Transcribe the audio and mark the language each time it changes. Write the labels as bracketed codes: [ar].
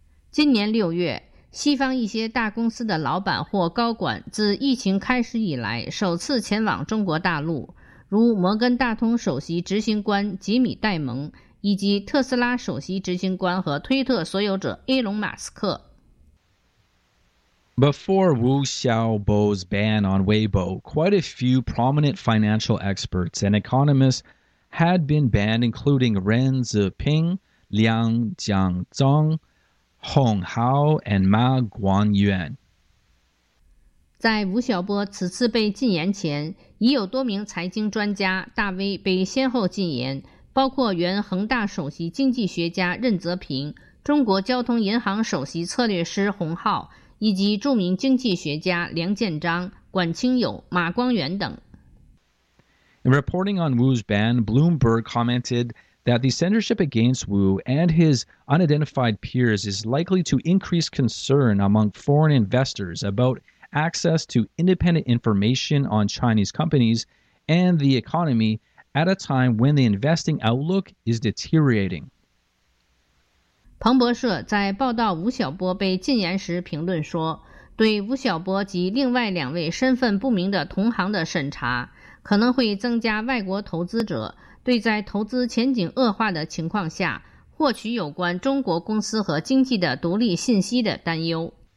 [zh] 今年六月，西方一些大公司的老板或高管自疫情开始以来首次前往中国大陆，如摩根大通首席执行官吉米·戴蒙以及特斯拉首席执行官和推特所有者埃隆·马斯克。 [en] Before Wu Xiaobo's ban on Weibo, quite a few prominent financial experts and economists had been banned, including Ren Zeping, Liang Jiangzong, Hong Hao, and Ma Guangyuan. [zh] 在吴晓波此次被禁言前，已有多名财经专家大 V 被先后禁言，包括原恒大首席经济学家任泽平、中国交通银行首席策略师洪浩。以及著名经济学家梁建章、管清友、马光元等。 [en] In reporting on Wu's ban, Bloomberg commented that the censorship against Wu and his unidentified peers is likely to increase concern among foreign investors about access to independent information on Chinese companies and the economy at a time when the investing outlook is deteriorating. [zh] 彭博社在报道吴晓波被禁言时评论说，对吴晓波及另外两位身份不明的同行的审查可能会增加外国投资者对在投资前景恶化的情况下获取有关中国公司和经济的独立信息的担忧。